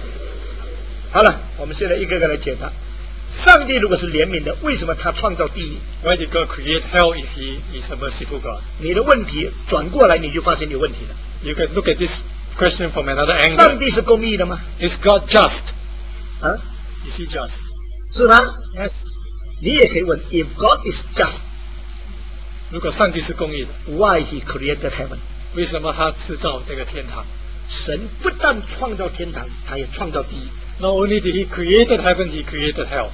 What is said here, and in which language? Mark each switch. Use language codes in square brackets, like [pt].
[zh] 你这个一个问题发好几个问题。好了，我们现在一个个来解答。上帝如果是怜悯的，为什么他创造地狱？ [en] Why did God create hell if He is a merciful God? [zh] 你的问题转过来，你就发现有问题了。 [en] You can look at this question from another angle. [zh] 上帝是公义的吗？ [en] Is God just? [zh] 啊？ [en] Is He just? [zh] 是吗？ [en] Yes. [zh] 你也可以问， [en] If God is just, [zh] 如果上帝是公义的， [en] Why He created heaven? [zh] 为什么他制造这个天堂？神不但创造天堂，他也创造地狱。 [en] Not only did He create heaven, He created hell.